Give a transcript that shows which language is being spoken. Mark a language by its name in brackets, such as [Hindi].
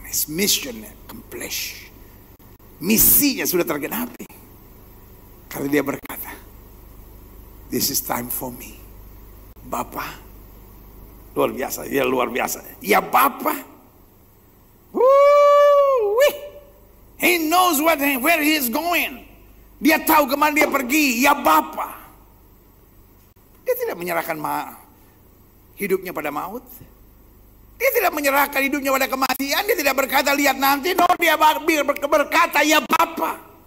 [English] His mission accomplished. [Indonesian] Misinya sudah tergenapi. Kalau dia berkata, [English] this is time for me. [Indonesian] Bapa. Luar biasa. Ya luar biasa. Ya Bapa. Woo-wee. [English] He knows where he is going. [Indonesian] Dia tahu kemana dia pergi, ya Bapa. Dia tidak menyerahkan hidupnya pada maut. Dia tidak menyerahkan hidupnya pada kematian. Dia tidak berkata, lihat nanti. No, dia berkata, ya Bapa.